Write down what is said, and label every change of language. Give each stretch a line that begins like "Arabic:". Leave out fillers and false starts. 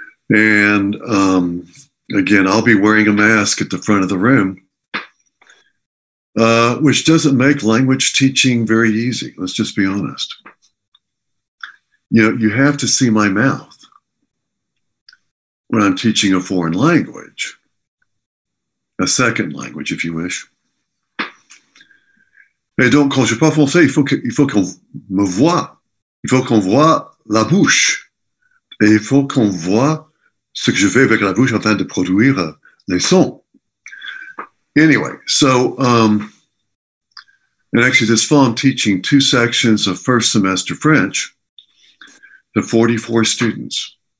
English: And again, I'll be wearing a mask at the front of the room, which doesn't make language teaching very easy. Let's just be honest. You know, you have to see my mouth when I'm teaching a foreign language, a second language, if you wish.
French: Et donc, quand je parle français, il faut qu'on me voit. Il faut qu'on voit la bouche. Et il faut qu'on voit ce que je fais avec la bouche afin de produire les sons.
English: Anyway, so, and actually this fall I'm teaching two sections of first semester French to 44 students.